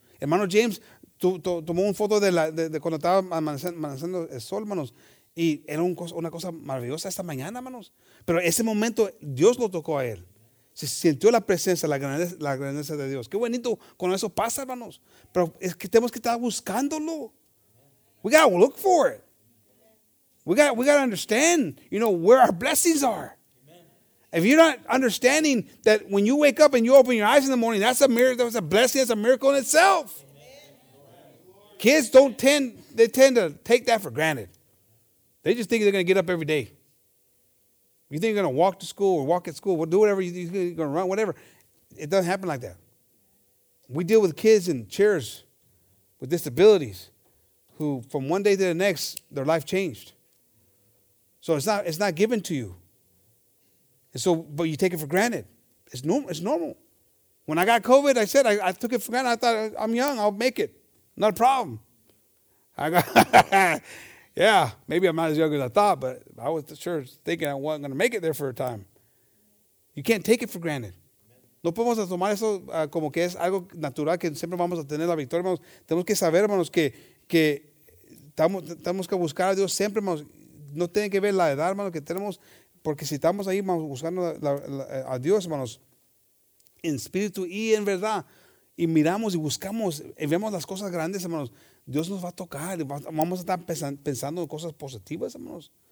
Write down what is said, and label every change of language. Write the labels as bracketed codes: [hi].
[es] Hermano James tomó una foto de cuando estaba amaneciendo el sol, hermanos, y era una cosa maravillosa esta mañana, hermanos. Pero ese momento, Dios lo tocó a él. Se sintió la presencia, la grandeza de Dios. Qué bonito cuando eso pasa, hermanos. Pero es que tenemos que estar buscándolo. [en] We got to look for it. We got to understand, you know, where our blessings are. If you're not understanding that when you wake up and you open your eyes in the morning, that's a miracle, that's a blessing, that's a miracle in itself. Kids tend to take that for granted. They just think they're going to get up every day. You think you're going to walk to school or walk at school, do whatever you're going to run, whatever. It doesn't happen like that. We deal with kids in chairs with disabilities who from one day to the next, their life changed. So it's not given to you. And so, but you take it for granted. It's normal. When I got COVID, I said, I took it for granted. I thought, I'm young, I'll make it. Not a problem. I got... Yeah, maybe I'm not as young as I thought, but I was sure thinking I wasn't going to make it there for a time. You can't take it for granted. [es] No podemos tomar eso como que es algo natural, que siempre vamos a tener la victoria, hermanos. Tenemos que saber, hermanos, que tenemos que buscar a Dios siempre, hermanos. No tiene que ver la edad, hermanos, que tenemos, porque si estamos ahí buscando a Dios, hermanos, en espíritu y en verdad, y miramos y buscamos, y vemos las cosas grandes, hermanos, Dios nos va a tocar, vamos a estar pensando en cosas positivas, hermanos.